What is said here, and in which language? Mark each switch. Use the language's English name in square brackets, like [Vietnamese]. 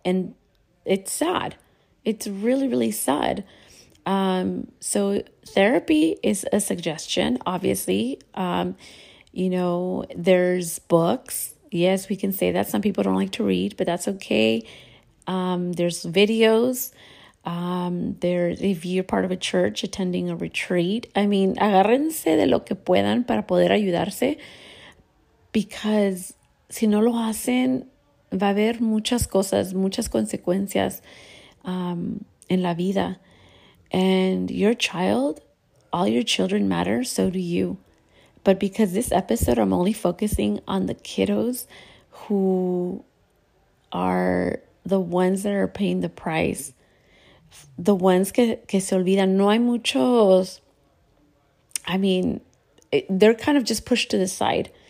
[English] And it's sad. It's really, really sad. So therapy is a suggestion, obviously. You know, there's books. Yes, we can say that. Some people don't like to read, but that's okay. There's videos. If you're part of a church attending a retreat, I mean, [Spanish] agárrense de lo que puedan para poder ayudarse, [English] because [Spanish] si no lo hacen, va a haber muchas cosas, muchas consecuencias, en la vida. [English] And your child, all your children matter, so do you. But because this episode, I'm only focusing on the kiddos who are the ones that are paying the price. The ones [Spanish] que se olvidan. No hay muchos. [English] I mean, they're kind of just pushed to the side.